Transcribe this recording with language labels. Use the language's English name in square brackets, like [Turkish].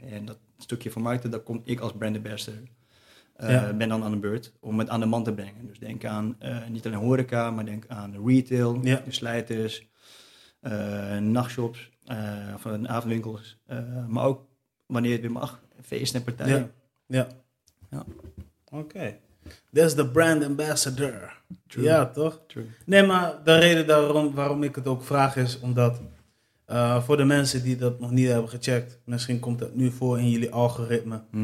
[Dutch] En dat stukje vermarkten, daar kom ik als brand ambassador. Ben dan aan de beurt om het aan de man te brengen. Dus denk aan niet alleen horeca, maar denk aan retail, slijters, nachtshops of avondwinkels. Maar ook wanneer het weer mag, feesten en partijen. Ja. Ja. Oké. [English] That's the brand ambassador. True. [Dutch] Ja, toch? [English] True. [Dutch] Nee, maar de reden waarom ik het ook vraag is, omdat voor de mensen die dat nog niet hebben gecheckt, misschien komt dat nu voor in jullie algoritme.